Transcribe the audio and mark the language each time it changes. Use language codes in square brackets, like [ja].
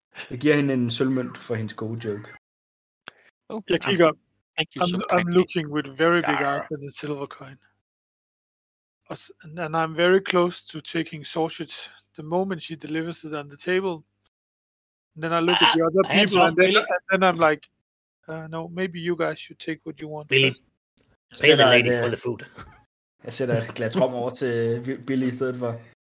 [da] Jeg giver hende en sølvmønt for hendes gode joke. Oh, jeg kigger op. [en] I'm looking with very big eyes at the silver coin. And I'm very close to taking sausage the moment she delivers it on the table. And then I look at the other people and then I'm like, no, maybe you guys should take what you want. Billy, pay the lady for the food. [da] Jeg sætter et glas rom over til Billy i stedet for.